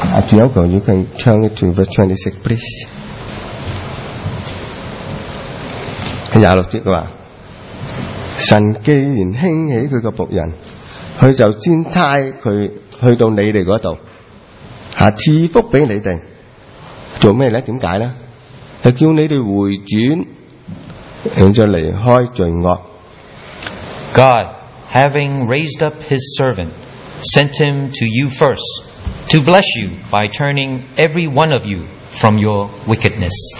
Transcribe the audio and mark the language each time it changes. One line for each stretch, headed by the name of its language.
English: Yoko, you can turn it to verse 26, please.
Chinese: 26节说, 神既然兴起他的仆人, 他就先差他去到你们那里, 赐福给你们, 做什么呢?为什么呢? 叫你们回转, 然后离开罪恶。
English: God, having raised up his servant, sent him to you first, to bless you by turning every one of you from your wickedness.